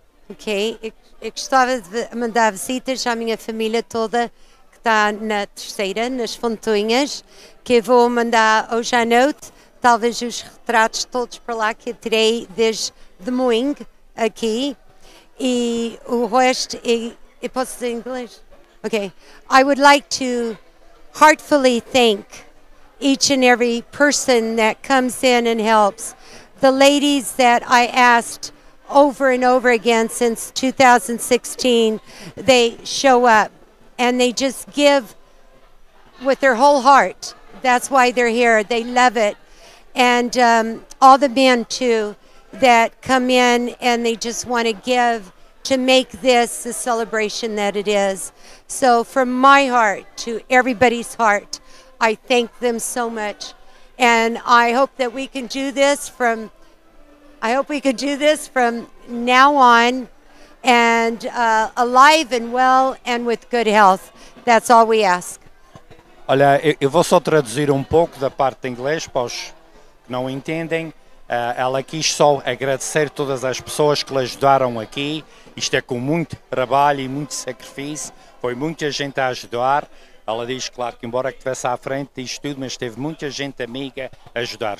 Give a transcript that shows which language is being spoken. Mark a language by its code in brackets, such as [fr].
[pt] Ok, eu gostava de mandar visitas à minha família toda que está na terceira, nas Fontunhas, que eu vou mandar hoje à noite, talvez os retratos todos para lá que eu tirei desde de Moing aqui. E o resto, eu posso dizer em inglês? Ok. [en] I would like to heartfully thank each and every person that comes in and helps. The ladies that I asked over and over again since 2016, they show up and they just give with their whole heart. That's why they're here. They love it. And all the men too that come in and they just want to give to make this the celebration that it is. So from my heart to everybody's heart, I thank them so much. And I hope that we can do this from, I hope we can do this from now on and alive and well and with good health. That's all we ask. [pt] Olha, eu vou só traduzir pouco da parte em inglês para os que não entendem. Ela quis só agradecer todas as pessoas que lhe ajudaram aqui. Isto é com muito trabalho e muito sacrifício. Foi muita gente a ajudar. Ela diz, claro, que embora que estivesse à frente disto tudo, mas teve muita gente amiga a ajudar.